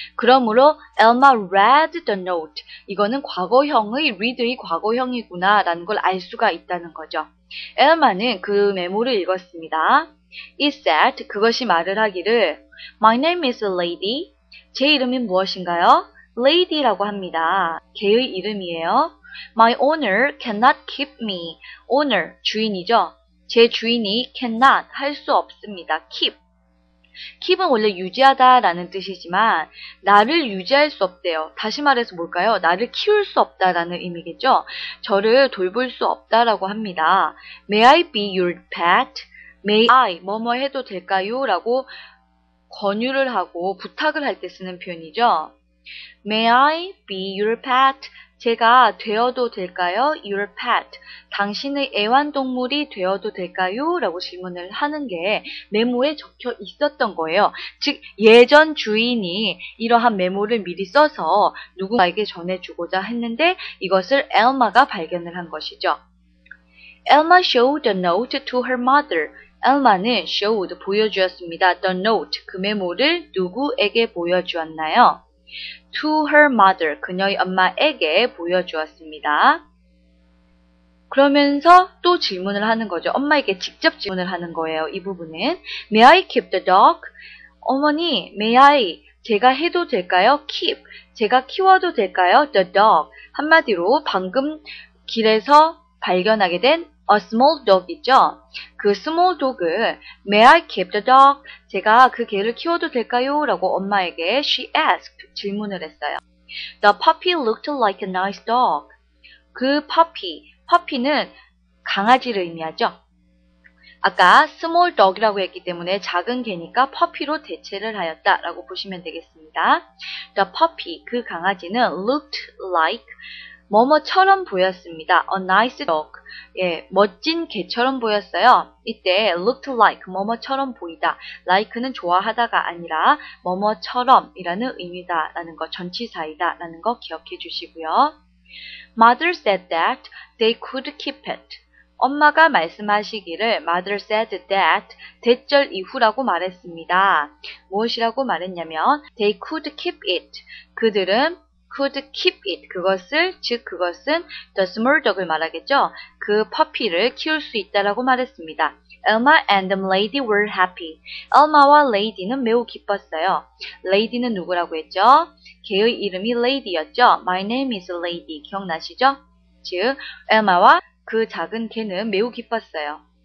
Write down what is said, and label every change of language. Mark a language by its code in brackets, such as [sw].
[en] 그러므로 Elma read the note. [ko] 이거는 과거형의 read의 과거형이구나 라는 걸 알 수가 있다는 거죠. Elma는 그 메모를 읽었습니다. [en] It said, [ko] 그것이 말을 하기를 [en] My name is Lady. [ko] 제 이름은 무엇인가요? Lady라고 합니다. 개의 이름이에요. [en] My owner cannot keep me. Owner, [ko] 주인이죠. 제 주인이 cannot 할 수 없습니다. [en] keep. [ko] keep은 원래 유지하다 라는 뜻이지만 나를 유지할 수 없대요. 다시 말해서 뭘까요? 나를 키울 수 없다 라는 의미겠죠. 저를 돌볼 수 없다 라고 합니다. [en] May I be your pet? [ko] May I 뭐뭐 해도 될까요? 라고 권유를 하고 부탁을 할 때 쓰는 표현이죠. [en] May I be your pet? [ko] 제가 되어도 될까요? [en] Your pet. [ko] 당신의 애완동물이 되어도 될까요? 라고 질문을 하는 게 메모에 적혀 있었던 거예요. 즉 예전 주인이 이러한 메모를 미리 써서 누군가에게 전해주고자 했는데 이것을 엘마가 발견을 한 것이죠. [en] Elma showed a note to her mother. [ko] Elma는 showed 보여주었습니다. The note 그 메모를 누구에게 보여주었나요? [en] To her mother, [ko] 그녀의 엄마에게 보여주었습니다. 그러면서 또 질문을 하는 거죠. 엄마에게 직접 질문을 하는 거예요. [en] 이 부분은 May I keep the dog? [ko] 어머니, May I? 제가 해도 될까요? Keep. 제가 키워도 될까요? The dog. 한마디로 방금 길에서 발견하게 된 a small dog 있죠. [en] 그 small dog을 May I keep the dog? [ko] 제가 그 개를 키워도 될까요? 라고 엄마에게 [en] she asked [ko] 질문을 했어요. [en] The puppy looked like a nice dog. [ko] 그 puppy, puppy는 강아지를 의미하죠. 아까 small dog이라고 했기 때문에 작은 개니까 puppy로 대체를 하였다라고 보시면 되겠습니다. The puppy, 그 강아지는 looked like 뭐뭐처럼 보였습니다. [en] A nice dog. [ko] 예, 멋진 개처럼 보였어요. 이때 looked like, 뭐뭐처럼 보이다. like는 좋아하다가 아니라 뭐뭐처럼이라는 의미다라는 거, 전치사이다라는 거 기억해 주시고요. [en] Mother said that they could keep it. [ko] 엄마가 말씀하시기를 mother said that 대절 이후라고 말했습니다. 무엇이라고 말했냐면 [en] they could keep it. [ko] 그들은 [en] could keep it. [ko] 그것을, 즉 그것은 the small dog을 말하겠죠. 그 puppy를 키울 수 있다라고 말했습니다. [en] Elma and the lady were happy. [ko] Elma와 lady는 매우 기뻤어요. lady는 누구라고 했죠? 개의 이름이 lady였죠. [en] My name is lady. 기억나시죠? [ko] 즉 Elma와 그 작은 개는 매우 기뻤어요.